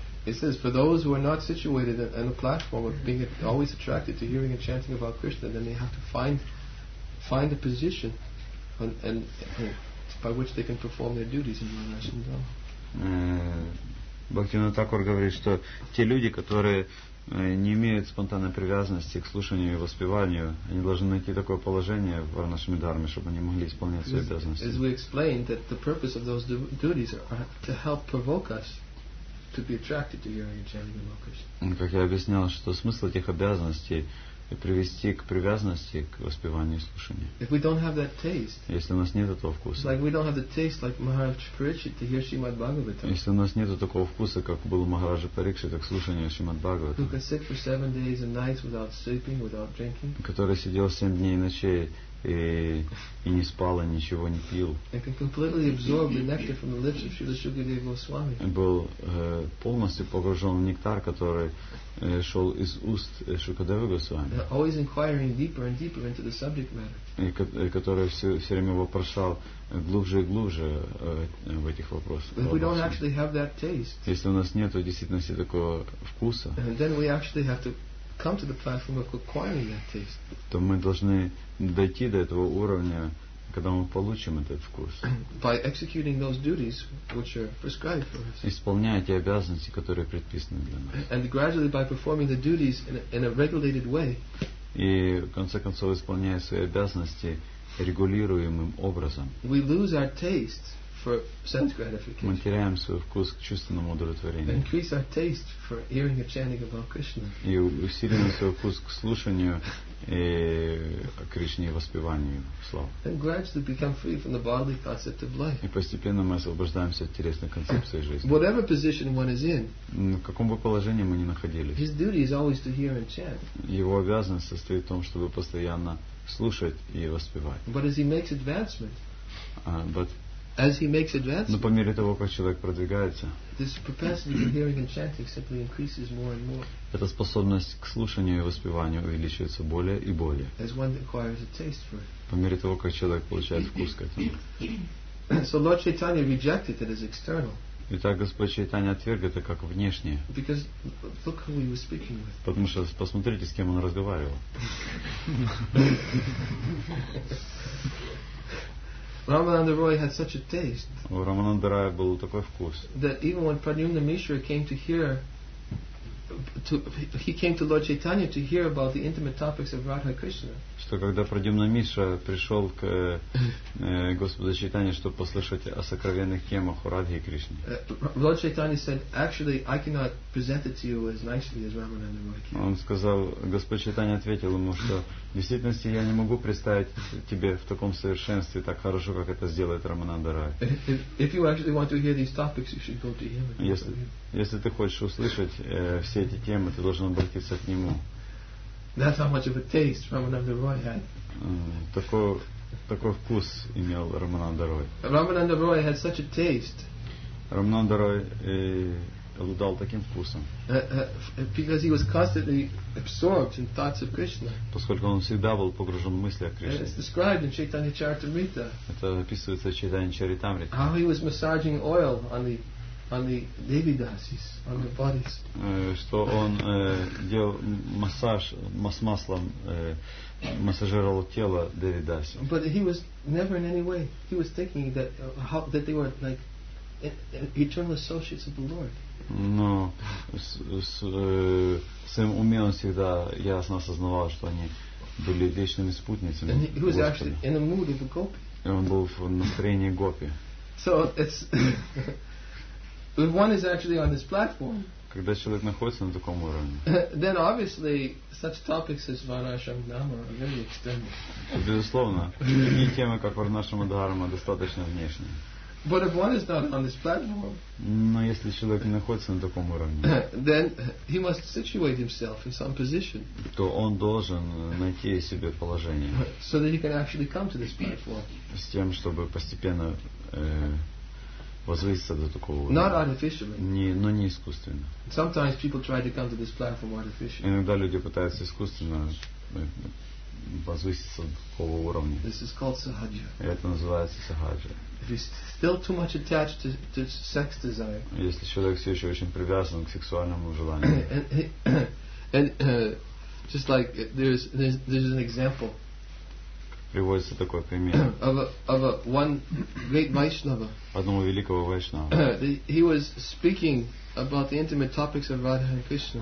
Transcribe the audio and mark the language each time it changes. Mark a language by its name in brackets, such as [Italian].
[English] It says, for those who are not situated on a platform of being always attracted to hearing and chanting about Krishna, then they have to find a position and by which they can perform their duties in Varnashrama Dharma. [Russian] Бхактивинода Такур говорит, что те люди, которые не имеют спонтанной привязанности к слушанию и воспеванию, они должны найти такое положение в Варнашраме Дхарме, чтобы они могли исполнять свои обязанности. [English] As we explained, that the purpose of those duties are to help provoke us to be attracted to hearing and chanting the mantras. [Russian] Как я объяснял, что смысл этих обязанностей привести к привязанности к воспеванию и слушанию. [English] If we don't have that taste. [Russian] Если у нас нет этого вкуса. [English] Like we don't have the taste like Maharaj Parikshit to hear Srimad Bhagavatam. [Russian] Если у нас нет такого вкуса, как был Махараджа Парикшита к слушанию Шримад Бхагаватам. [English] Who can sit for 7 days and nights without sleeping, without drinking. [Russian] Который сидел 7 дней и ночей и не спал, и ничего не пил. [English] And can completely absorb the nectar from the lips of Srila Shukadeva Goswami. [Russian] Был полностью погружен в нектар, который шел из уст Шукадевы Госвами. [English] Always inquiring deeper and deeper into the subject matter. [Russian] Который все время вопрошал глубже и глубже в этих вопросах. [English] If we don't actually have that taste. [Russian] Если у нас нету действительно такого вкуса. [English] And then we actually have to come to the platform of acquiring that taste. [Russian] То мы должны дойти до этого уровня, когда мы получим этот вкус. [English] By executing those duties which are prescribed for us. [Russian] Исполняя те обязанности, которые предписаны для нас. [English] And gradually by performing the duties in a regulated way. [Russian] И в конце концов исполняя свои обязанности регулируемым образом. [English] We lose our taste for sense gratification. [Russian] Мы теряем свой вкус к чувственному удовлетворению. [English] Increase our taste for hearing and chanting about Krishna. [Russian] И усиливаем свой вкус к слушанию и Кришне и воспеванию слав. [English] And gradually become free from the bodily concept of life. [Russian] И постепенно мы освобождаемся от телесной концепции жизни. [English] Whatever position one is in. [Russian] В каком бы положении мы ни находились. [English] His duty is always to hear and chant. [Russian] Его обязанность состоит в том, чтобы постоянно слушать и воспевать. [English] But as he makes advancement. But as he makes advancement. [Russian] Но по мере того, как человек продвигается. [English] This propensity for hearing and chanting simply increases more and more. [Russian] Эта способность к слушанию и воспеванию увеличивается более и более. [English] As one acquires a taste for it. [Russian] по мере того, как человек получает вкус к этому. [English] So Lord Chaitanya rejected it as external. [Russian] Итак, Господь Чайтанья отверг это как внешнее. [English] Because look who he was speaking with. [Russian] Потому что посмотрите, с кем он разговаривал. [English] Рамананда Рой had such a taste. [Russian] У Рамананда Рая был такой вкус. [English] That even when Pradyumna Mishra came to hear, he came to Lord Chaitanya to hear about the intimate topics of Radha Krishna. [Russian] Что когда Прадьюмна Мишра пришел к Господу Чайтанье, чтобы послушать о сокровенных темах у Радхи и Кришны. [English] Lord Chaitanya said, actually, I cannot present it to you as nicely as Ramananda Roy. [Russian] Он сказал, Господь Чайтанья ответил ему, что в действительности я не могу представить тебе в таком совершенстве так хорошо, как это сделает Рамананда Рай. [English] If you actually want to hear these topics, you should go to him. [Russian] Если ты хочешь услышать все эти темы, ты должен обратиться к нему. [English] That's how much of a taste Ramananda Roy had. [Russian] Такой вкус имел Рамананда Рой. [English] Ramananda Roy had such a taste. [Russian] Рамананда Рой обладал таким вкусом. [English] Because he was constantly absorbed in thoughts of Krishna. [Russian] Поскольку он всегда был погружен в мысли о Кришне. [English] It's described in Chaitanya Charitamrita. [Russian] Это описывается в Чайтанья Чаритамрите. [English] How he was massaging oil on the devidasis, on the bodies. [Russian] Что он делал массаж маслом, массажировал тело девидаси. [English] But he was never in any way. He was thinking that how that they were like eternal associates of the Lord. [Russian] Но своим умом он всегда ясно осознавал, что они были вечными спутницами. [English] And he was actually in a mood of a gopi. [Russian] И он был в настроении гопи. [English] So it's if one is actually on this platform, [Russian] когда человек находится на таком уровне, [English] then obviously such topics as Varnashrama Dharma are very external. [Russian] Безусловно, такие темы, как Варнашрама Дхарма, достаточно внешние. [English] But if one is not on this platform, [Russian] но если человек не находится на таком уровне, [English] then he must situate himself in some position, [Russian] то он должен найти себе положение, [English] so that he can actually come to this platform, [Russian] с тем, чтобы постепенно возвыситься до такого уровня. [English] Not artificially. [Russian] Но не искусственно. [English] Sometimes people try to come to this platform artificially. [Russian] Иногда люди пытаются искусственно возвыситься до такого уровня. [English] This is called sahaja. [Russian] Это называется сахаджа. [English] If he's still too much attached to sex desire. [Russian] Если человек все еще очень привязан к сексуальному желанию. [English] And just like there's an example. [Russian] Приводится такой пример. [English] Of a one great Vaishnava. [Russian] Одного великого Вайшнава. [English] He was speaking about the intimate topics of Radha and Krishna.